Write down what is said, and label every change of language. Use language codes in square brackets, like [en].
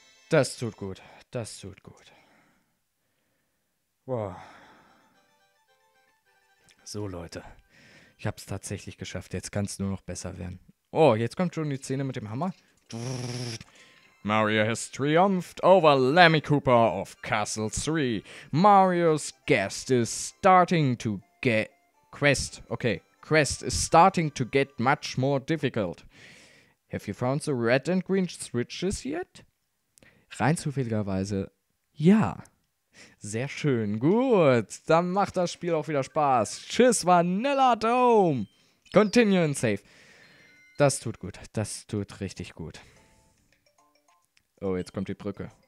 [de] Das tut gut. Das tut gut. Wow. So, Leute. Ich hab's tatsächlich geschafft. Jetzt kann's nur noch besser werden. Oh, jetzt kommt schon die Szene mit dem Hammer. [en] Mario has triumphed over Lemmy Cooper of Castle 3. Mario's guest is starting to get... Quest. Okay. Quest is starting to get much more difficult. Have you found the red and green switches yet? [de] Rein zufälligerweise, ja. Sehr schön, gut. Dann macht das Spiel auch wieder Spaß. [en] Tschüss, Vanilla Dome. Continue and save. [de] Das tut gut. Das tut richtig gut. Oh, jetzt kommt die Brücke.